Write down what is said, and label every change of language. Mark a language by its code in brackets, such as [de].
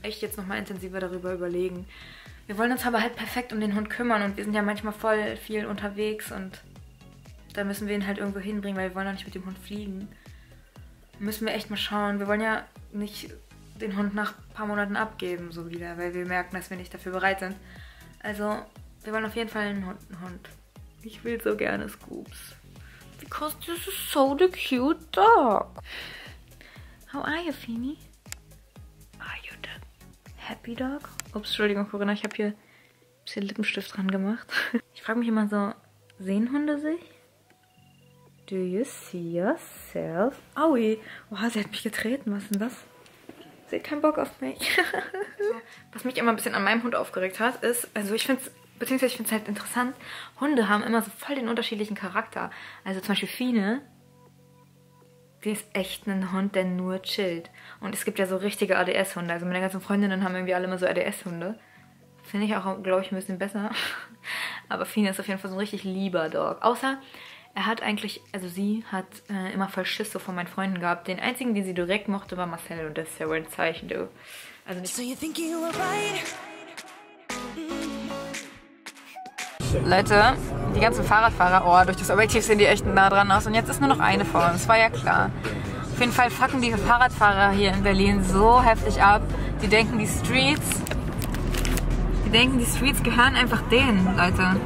[de] Echt jetzt nochmal intensiver darüber überlegen. Wir wollen uns aber halt perfekt um den Hund kümmern und wir sind ja manchmal voll viel unterwegs und da müssen wir ihn halt irgendwo hinbringen, weil wir wollen doch nicht mit dem Hund fliegen. Müssen wir echt mal schauen. Wir wollen ja nicht den Hund nach ein paar Monaten abgeben, so wieder, weil wir merken, dass wir nicht dafür bereit sind. Also, wir wollen auf jeden Fall einen Hund. Ich will so gerne Scoops. [en] Because this is so the cute dog. How are you, Feeny? Are you the happy dog? [de] Ups, Entschuldigung, Corinna, ich habe hier ein bisschen Lippenstift dran gemacht. Ich frage mich immer so, sehen Hunde sich? [en] Do you see yourself? [de] Aui, oh, sie hat mich getreten. Was ist denn das? Sie hat keinen Bock auf mich. Was mich immer ein bisschen an meinem Hund aufgeregt hat, ist, also ich finde es, beziehungsweise ich finde es halt interessant, Hunde haben immer so voll den unterschiedlichen Charakter. Also zum Beispiel Fine, die ist echt ein Hund, der nur chillt. Und es gibt ja so richtige ADS-Hunde. Also meine ganzen Freundinnen haben irgendwie alle immer so ADS-Hunde. Finde ich auch, glaube ich, ein bisschen besser. Aber Fine ist auf jeden Fall so ein richtig lieber Dog. Außer, er hat eigentlich, also sie hat immer voll Schiss so von meinen Freunden gehabt. Den einzigen, den sie direkt mochte, war Marcel. Und das ist ja wohl ein Zeichen, du. Also nicht. [en] So you think you were right? [de] Leute, die ganzen Fahrradfahrer, oh, durch das Objektiv sehen die echt nah dran aus. Und jetzt ist nur noch eine vor uns, war ja klar. Auf jeden Fall fucken die Fahrradfahrer hier in Berlin so heftig ab. Die denken, die Streets gehören einfach denen, Leute.